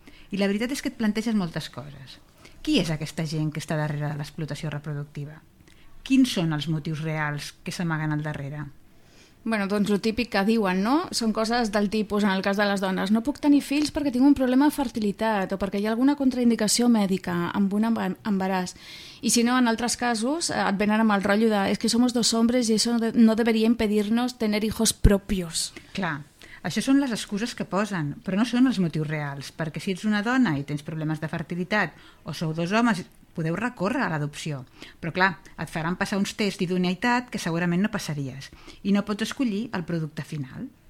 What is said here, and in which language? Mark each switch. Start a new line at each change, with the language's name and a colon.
Catalan: I la veritat és que et planteges moltes coses. Qui és aquesta gent que està darrere de l'explotació reproductiva? Quins són els motius reals que s'amaguen al darrere? Bueno, doncs el típic que diuen, no? Són coses del tipus, en el cas de les dones: no puc tenir fills perquè tinc un problema de fertilitat o perquè hi ha alguna contraindicació mèdica amb un embaràs. I si no, en altres casos, et venen amb el rotllo de
Spanish: es que somos dos hombres y eso no debería impedirnos tener hijos propios.
Catalan: Clar, això són les excuses que posen, però no són els motius reals, perquè si ets una dona i tens problemes de fertilitat o sou dos homes, podeu recórrer a l'adopció. Però clar, et faran passar uns tests d'idoneïtat que segurament no passaries i no pots escollir el producte final.